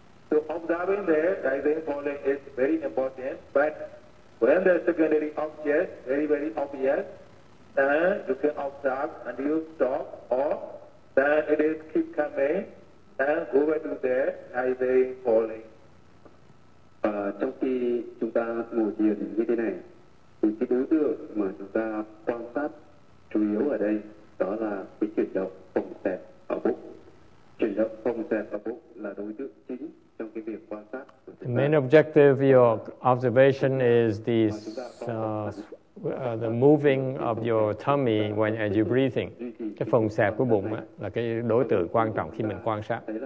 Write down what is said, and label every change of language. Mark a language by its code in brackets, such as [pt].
[en] So observing the rising falling is very important, but when the secondary object very, very obvious, then you can observe and you stop, or then it is keep coming and go back to the rising falling. [vi] Trong khi chúng ta ngồi thiền như thế này, thì cái đối tượng mà chúng ta quan sát chủ yếu ở đây đó là cái chuyển động phồng xẹp ở bụng. Chuyển động phồng xẹp ở bụng là đối tượng chính trong cái việc quan sát. [en] The main objective of your observation is the moving of your tummy when as you breathing. [vi] Cái phồng xẹp của bụng là cái đối tượng quan trọng khi mình quan sát.